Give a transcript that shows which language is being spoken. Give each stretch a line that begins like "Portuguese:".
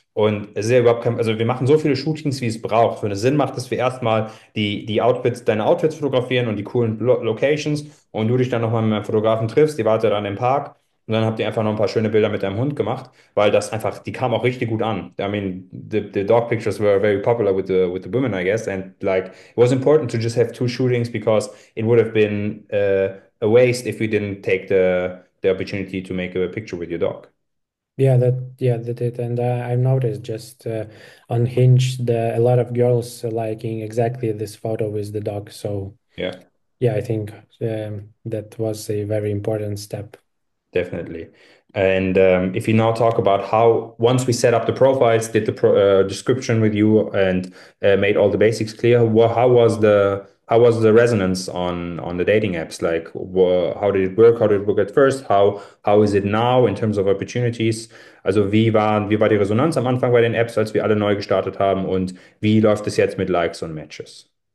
German: Und es ist ja überhaupt kein, also wir machen so viele Shootings, wie es braucht. Wenn es Sinn macht, dass wir erstmal die Outfits, deine Outfits fotografieren und die coolen Locations und du dich dann nochmal mit einem Fotografen triffst, die wartet dann im Park. Und dann habt ihr einfach noch ein paar schöne Bilder mit deinem Hund gemacht, weil das einfach, die kamen auch richtig gut an.
English: I mean, the dog pictures were very popular with the women, I guess. And like, it was important to just have two shootings because it would have been a waste if we didn't take the opportunity to make a picture with your dog. Yeah, that it, and I noticed just on Hinge the a lot of girls liking exactly this photo with the dog. So Yeah. yeah, I think that was a very important step. Definitely. And if you now talk about how, once we set up the profiles, did the description with you and made all the basics clear, how was the resonance on the dating apps? Like, how did it work? How did it work at first? How is it now in terms of opportunities?
German: Also, wie war die Resonanz am Anfang bei den Apps, als wir alle neu gestartet haben? Und wie läuft es jetzt mit Likes und Matches?